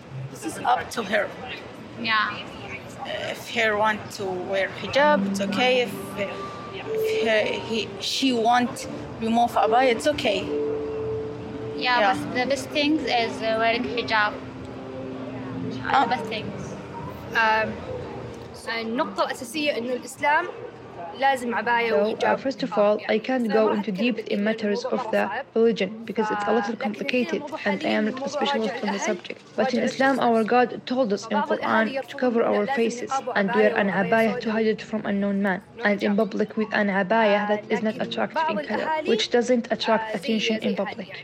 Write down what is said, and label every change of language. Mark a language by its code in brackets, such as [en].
[en] This is up to her. Yeah. If he want to wear hijab, it's okay. If she want remove abaya, it's okay. Yeah, but the best thing is wearing hijab. The best things. [ar] النقطة الأساسية إنه الإسلام لازم عباية وحجاب. [en] First of all, I can't go into deep in matters of the religion because it's a little complicated and I am not a specialist on the subject. But in Islam, our God told us in Quran to cover our faces and wear an abaya to hide it from unknown man. And in public with an abaya that is not attractive in color, which doesn't attract attention in public.